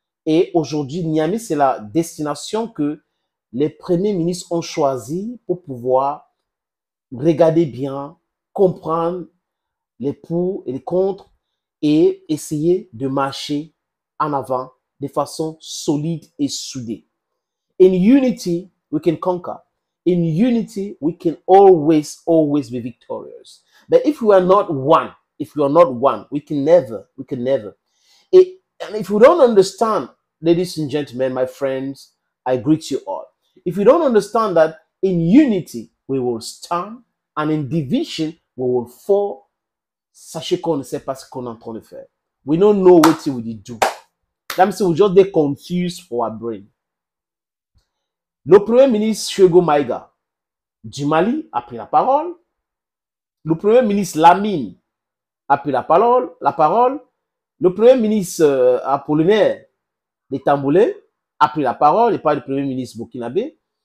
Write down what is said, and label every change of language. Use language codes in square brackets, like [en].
[fr] Et aujourd'hui, Niamey, c'est la destination que les premiers ministres ont choisi pour pouvoir regarder bien, comprendre les pour et les contre et essayer de marcher en avant de façon solide et soudée. [en] In unity, we can conquer. In unity, we can always, always be victorious. But if we are not one, if we are not one, we can never. Et, and if we don't understand, ladies and gentlemen, my friends, I greet you all. If you don't understand that in unity we will stand and in division we will fall, [fr] sachez qu'on ne sait pas ce qu'on est en train de faire. [en] We don't know what we will do. That means we're just they confused for our brain. [fr] Le premier ministre Chiego Maïga du Mali a pris la parole. Le premier ministre Lamine a pris la parole. Le premier ministre Apollinaire les Tamboulins a pris la parole et pas le premier ministre Burkinabé.